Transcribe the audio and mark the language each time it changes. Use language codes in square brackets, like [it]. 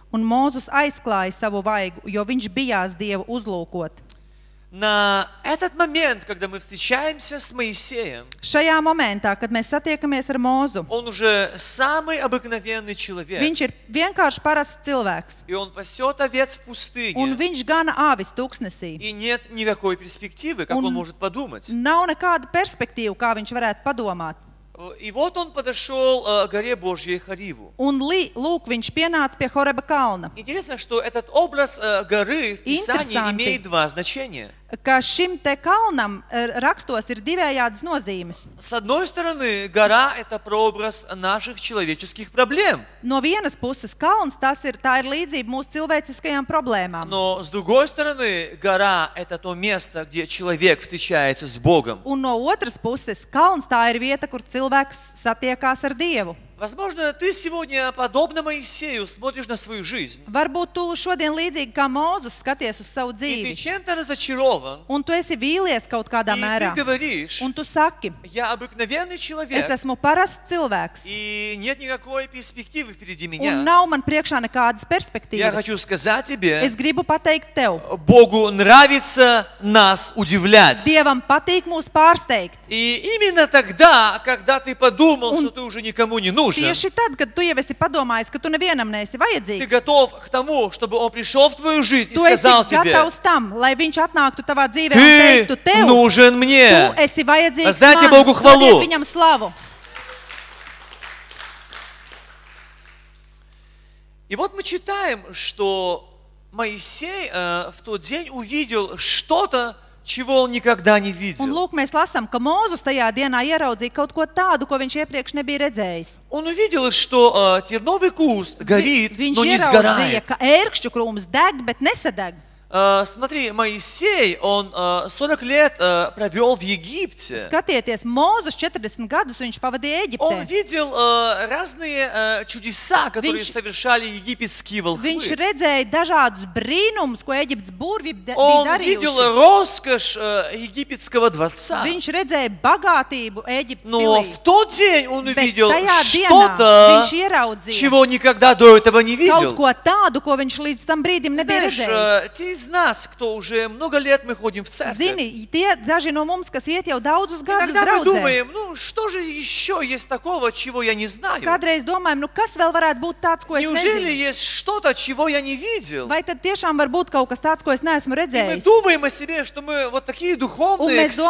[lv] Un Mozus aizklāja savu vaigu, jo viņš bijās Dievu uzlūkot. [ru] На этот момент, когда мы встречаемся с Моисеем, [lv] Šajā momentā, kad mēs satiekamies ar Mozu, [ru] он уже самый обыкновенный человек. [lv] Viņš ir vienkārši parasts cilvēks. [ru] И он пасёт овец в пустыне. [lv] Un viņš gana āvis tuksnesī. [ru] И нет никакой перспективы, как он может подумать. [lv] Nav nekāda perspektīva, kā viņš varētu padomāt. [ru] И вот он подошёл к горе Божьей Хариву. [lv] Un lūk, viņš pienāca pie Horeba kalna. [ru] Интересно, что этот образ горы в Писании имеет два значения. [lv] ka šim te kalnam rakstos ir divējādas nozīmes. [ru] С одной стороны, гора это прообраз наших человеческих проблем. [lv] No vienas puses kalns tas ir, tā ir līdzība mūsu cilvēciskajām problēmām. [ru] Но с другой стороны, гора это то место, где человек встречается с Богом. [lv] Un no otras puses kalns tā ir vieta, kur cilvēks satiekās ar Dievu. [ru] Возможно, ты сегодня подобно Моисею смотришь на свою жизнь. [lv] Varbūt tu šodien līdzīgi kā Mozus skaties uz savu dzīvi. [ru] И ты чем-то разочарован. [lv] Un tu esi vīlies kaut kādā mērā. [ru] И ты говоришь. [lv] Un tu saki. [ru] Я обыкновенный человек. [lv] Es esmu parasts cilvēks. [ru] И нет никакой перспективы впереди меня. [lv] Un nav man priekšā nekādas perspektīvas. [ru] Я хочу сказать тебе. [lv] Es gribu pateikt tev. [ru] Богу нравится нас удивлять. [lv] Dievam patīk mūs pārsteigt. [ru] И именно тогда, когда ты подумал, [lv] un [ru] что ты уже никому не нужен. [lv] Tieši tad, kad tu jau esi padomājis, ka tu nevienam neesi vajadzīgs. [ru] Ты готов к тому, чтобы он пришёл в твою жизнь [lv] tu [ru] и сказал тебе. [lv] Tu esi gatavs tam, lai viņš atnāktu tavā dzīvē [ru] ты [lv] un teiktu tev. [ru] Нужен мне. [lv] Tu esi vajadzīgs man. Dodiet [ru] Bogu chvalu. [lv] Dodiet viņam slavu. [ru] И вот мы читаем, что Моисей в тот день увидел что-то, чего он никогда не видел. [lv] Un lūk, mēs lasām, ka Mozus tajā dienā ieraudzīja kaut ko tādu, ko viņš iepriekš nebija redzējis. [ru] Он увидел, что терновый куст горит, но не сгорает. [lv] Viņš ieraudzīja, ka ērkšķu krūms deg, bet nesadeg. [ru] Смотри, Моисей, он 40 лет провёл в Египте. [lv] Skatieties, Mozus 40 gadus viņš pavadīja Ēģiptē. [ru] Он видел разные чудеса, которые совершали египетские волхвы. [lv] Viņš redzēja dažādus brīnumus, ko Ēģiptes burvi bija darījuši. [ru] Он видел роскошь египетского дворца. [lv] Viņš redzēja bagātību Ēģiptes pilī. [ru] Но в тот день он увидел что-то, [lv] viņš ieraudzīja, [ru] чего никогда до этого не видел. [lv] Kaut ko tādu, ko viņš līdz tam brīdim nebija redzējis. [ru] Из нас, кто уже много лет мы ходим в церковь. [lv] Zini, tie daži no mums, kas iet jau daudzus gadus draudzē. [ru] Иногда думаем, ну что же еще есть такого, чего я не знаю? [lv] Kādreiz domājam, nu kas vēl varētu būt tāds, ko es nezinu? [ru] Неужели есть что-то, чего я не видел? [lv] Vai tad tiešām var būt kaut kas tāds, ko es neesmu redzējis? [ru] И мы думаем о себе, что мы вот такие духовные эксперты.